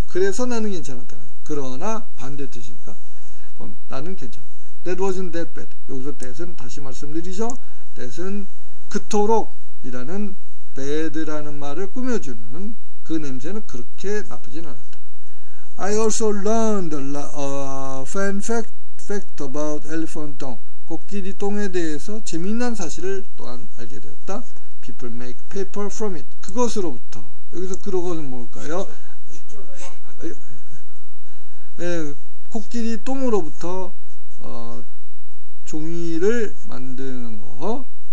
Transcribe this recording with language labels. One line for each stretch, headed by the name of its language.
Korean: 그래서 나는 괜찮았다. 그러나 반대 뜻이니까 나는 괜찮아.
English: That wasn't that bad.
Korean: 여기서 that은 다시 말씀드리죠. That은 그토록이라는 bad라는 말을 꾸며주는 그 냄새는 그렇게 나쁘진 않았다.
English: I also learned a fun fact about elephant dung.
Korean: 코끼리 똥에 대해서 재미난 사실을 또한 알게 되었다.
English: People make paper from it.
Korean: 그것으로부터. 여기서 그것은 뭘까요? 네, 코끼리 똥으로부터 종이를 만드는 거.